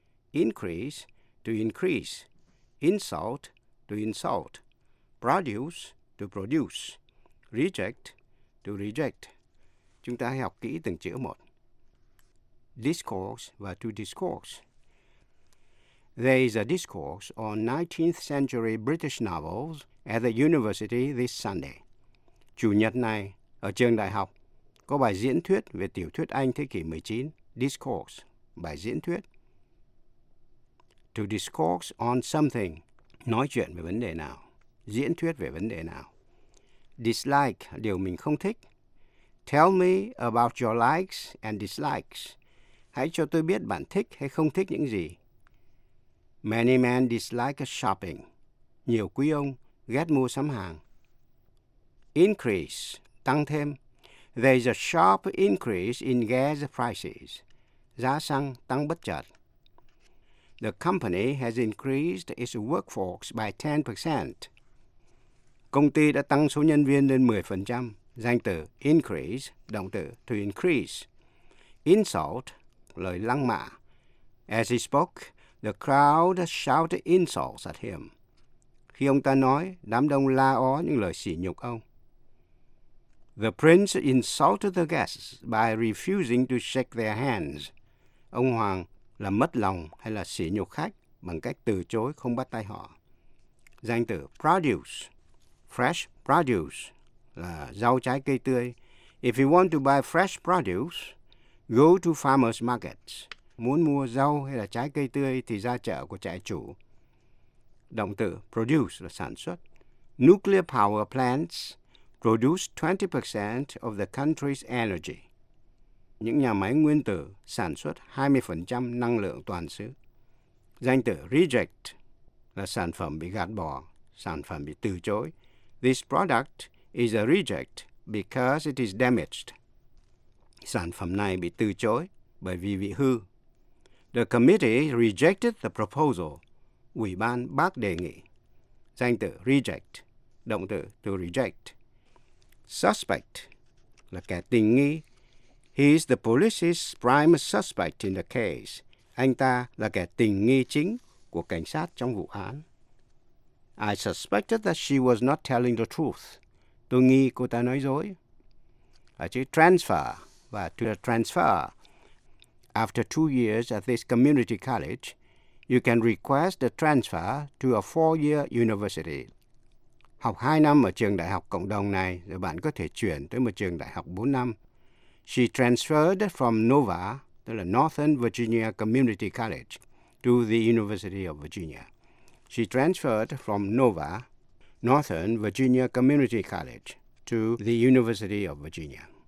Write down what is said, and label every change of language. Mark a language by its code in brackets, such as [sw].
[en] Increase, to increase. Insult, to insult. Produce, to produce. Reject, to reject. [vi] Chúng ta hãy học kỹ từng chữ một. Discourse và to discourse. [en] There is a discourse on 19th century British novels at the university this Sunday. [vi] Chủ nhật này, ở trường đại học, có bài diễn thuyết về tiểu thuyết Anh thế kỷ 19, Discourse, bài diễn thuyết. [en] To discourse on something, [vi] nói chuyện về vấn đề nào, diễn thuyết về vấn đề nào. [en] Dislike, [vi] điều mình không thích. [en] Tell me about your likes and dislikes. [vi] Hãy cho tôi biết bạn thích hay không thích những gì. [en] Many men dislike shopping. [vi] Nhiều quý ông ghét mua sắm hàng. [en] Increase, [vi] tăng thêm. [en] There's a sharp increase in gas prices. [vi] Giá xăng tăng bất chợt. [en] The company has increased its workforce by 10%. [vi] Công ty đã tăng số nhân viên lên 10%. Danh từ increase, động từ to increase. Insult, lời lăng mạ. [en] As he spoke, the crowd shouted insults at him. [vi] Khi ông ta nói, đám đông la ó những lời sỉ nhục ông. [en] The prince insulted the guests by refusing to shake their hands. [vi] Ông hoàng làm mất lòng hay là sỉ nhục khách bằng cách từ chối không bắt tay họ. Danh từ produce, fresh produce, là rau trái cây tươi. [en] If you want to buy fresh produce, go to farmers markets. [vi] Muốn mua rau hay là trái cây tươi thì ra chợ của trại chủ. Động từ produce là sản xuất. [en] Nuclear power plants produce 20% of the country's energy. [vi] Những nhà máy nguyên tử sản xuất 20% năng lượng toàn xứ. Danh từ reject là sản phẩm bị gạt bỏ, sản phẩm bị từ chối. [en] This product is a reject because it is damaged. [vi] Sản phẩm này bị từ chối bởi vì bị hư. [en] The committee rejected the proposal. [vi] Ủy ban bác đề nghị. Danh từ reject, động từ to reject. Suspect là kẻ tình nghi. [en] He is the police's prime suspect in the case. [vi] Anh ta là kẻ tình nghi chính của cảnh sát trong vụ án. [en] I suspected that she was not telling the truth. [vi] Tôi nghi cô ta nói dối. Ở chữ transfer và to transfer. [en] After 2 years at this community college, you can request a transfer to a 4-year university. [vi] Học 2 năm ở trường đại học cộng đồng này, rồi bạn có thể chuyển tới một trường đại học 4 năm. [en] She transferred from NOVA, [vi] tức là [en] Northern Virginia Community College, to the University of Virginia. She transferred from NOVA, Northern Virginia Community College, to the University of Virginia.